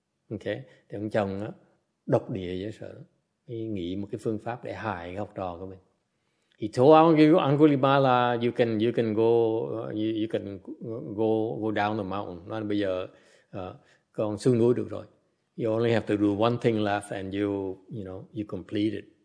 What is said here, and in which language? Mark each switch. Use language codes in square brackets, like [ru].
[vi] Okay, thì ông chồng đó, độc địa dễ sợ, he nghĩ một cái phương pháp để hại học trò của mình. [en] He told Angulimala, you can go down the mountain. [vi] Nói bây giờ con xuống núi được rồi. [en] You only have to do one thing left, and you complete it.